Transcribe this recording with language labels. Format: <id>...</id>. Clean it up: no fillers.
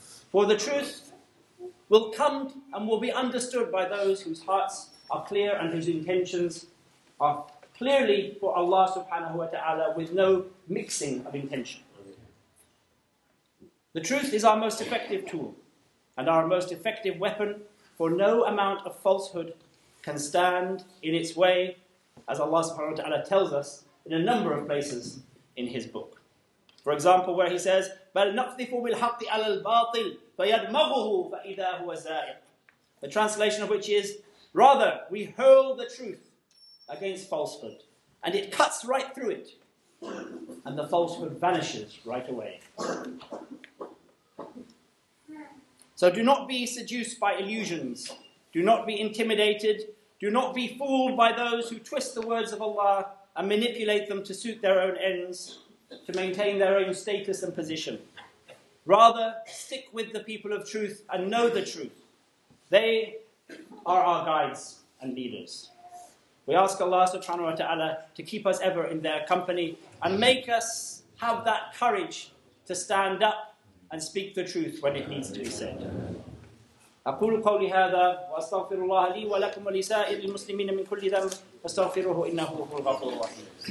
<en>For the truth will come and will be understood by those whose hearts are clear and whose intentions are clearly for Allah subhanahu wa ta'ala with no mixing of intention. The truth is our most effective tool and our most effective weapon, for no amount of falsehood can stand in its way, as Allah subhanahu wa ta'ala tells us in a number of places in His book. For example, where He says,</en> <ar>بَلْ نَقْذِفُ بِالْحَقِّ عَلَى الْبَاطِلِ فَيَدْمَغُهُ فَإِذَا هُوَ زَائِقٌ.</ar> <en>The translation of which is, rather, we hurl the truth against falsehood, and it cuts right through it, and the falsehood vanishes right away. So do not be seduced by illusions. Do not be intimidated. Do not be fooled by those who twist the words of Allah and manipulate them to suit their own ends, to maintain their own status and position. Rather, stick with the people of truth and know the truth. They are our guides and leaders. We ask Allah subhanahu wa ta'ala to keep us ever in their company and make us have that courage to stand up and speak the truth when it needs to be said.</en> <ar>أقول قولي هذا وأستغفر الله لي ولكم ولسائر المسلمين من كل ذنب أستغفره إنه هو الغفور الرحيم.</ar>